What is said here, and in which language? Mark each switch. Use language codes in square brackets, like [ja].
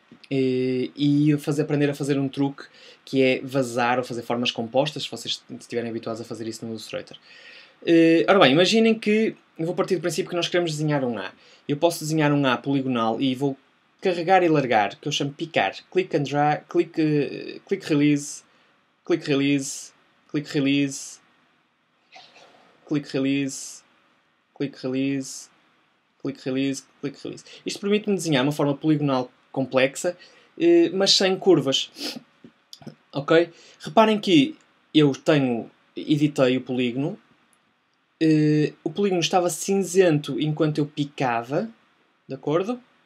[pt] E aprender a fazer um truque que é vazar ou fazer formas compostas, se vocês estiverem habituados a fazer isso no Illustrator. Ora bem, imaginem que eu vou partir do princípio que nós queremos desenhar um A. Eu posso desenhar um A poligonal e vou carregar e largar, que eu chamo picar. [en] Click and drag, click release, click release, click release, click release, click release, click release, click release. [pt] Isto permite-me desenhar uma forma poligonal complexa, mas sem curvas. Ok? Reparem que editei o polígono. O polígono estava cinzento enquanto eu picava, de acordo?